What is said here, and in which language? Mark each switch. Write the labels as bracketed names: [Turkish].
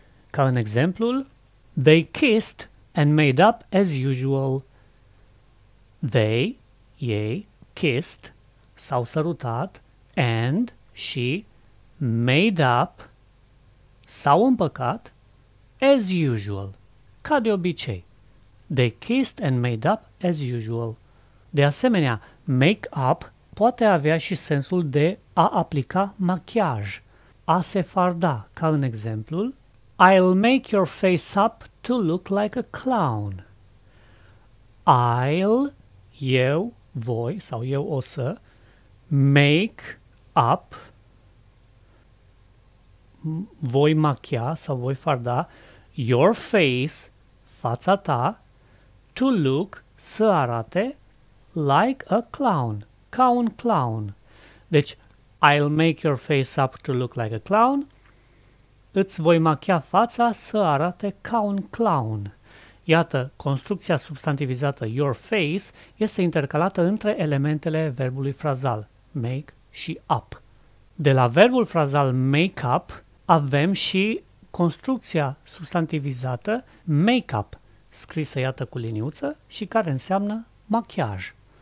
[Romanian] Ca în exemplul, [English] they kissed and made up as usual. [Romanian] They, ei, kissed, s-au sărutat, and, și, made up, s-au împăcat, [English] as usual, [Romanian] ca de obicei. [English] They kissed and made up as usual. [Romanian] De asemenea, make up poate avea și sensul de a aplica machiaj, a se farda, ca în exemplul, [English] I'll make your face up to look like a clown. [Romanian] I'll, eu, voi, sau eu o să, make up, voi machia sau voi farda, [English] your face, [Romanian] fața ta, to look, să arate, [English] like a clown, [Romanian] ca un clown. Deci, [English] I'll make your face up to look like a clown. [Romanian] Îți voi machia fața să arate ca un clown. Iată, construcția substantivizată your face este intercalată între elementele verbului frazal, make și up. De la verbul frazal make up avem și construcția substantivizată make up, scrisă iată cu liniuță și care înseamnă machiaj.